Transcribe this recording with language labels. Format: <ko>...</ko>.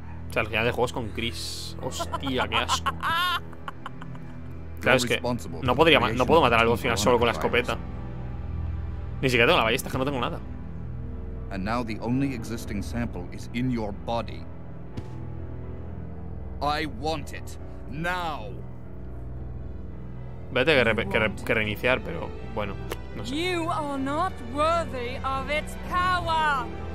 <es>O sea, el final de juegos con Chris. Hostia, qué asco. Claro, es que no puedo matar al boss final solo con la escopeta. Ni siquiera tengo la ballesta, que no tengo nada.</es> <en>And now the only existing sample is in your body. I want it now.</en> <es>Vete que reiniciar, pero bueno, no sé.</es> <en>You are not worthy of its power.</en>